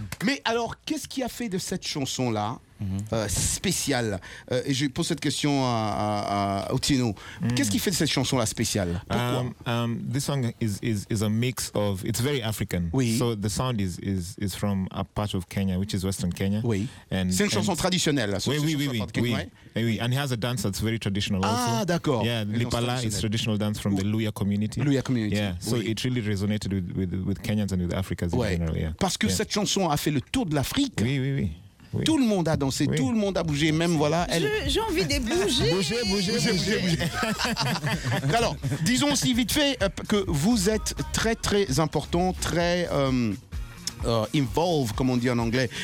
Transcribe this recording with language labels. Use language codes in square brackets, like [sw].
[fr] Mais alors, qu'est-ce qui a fait de cette chanson-là spéciale? Et je pose cette question à Tino. Qu'est-ce qui fait de cette chanson-là spéciale? [en] This song is a mix of, it's very African. [fr] Oui. [en] So the sound is from a part of Kenya, which is Western Kenya. [fr] Oui. And c'est une chanson traditionnelle. Oui. [en] And he has a dance that's very traditional. Ah, also. [fr] D'accord. [en] Yeah, Lipala is traditional dance from the Luya community. Luya community. Yeah. So it really resonated with Kenyans and with Africans in general. Yeah. [fr] Parce que cette chanson a fait le tour de l'Afrique. Oui. Oui. Tout le monde a dansé, tout le monde a bougé, même voilà. Elle... J'ai envie de bouger. Bouger. Alors, disons aussi vite fait que vous êtes très très important, très involved, comme on dit en anglais.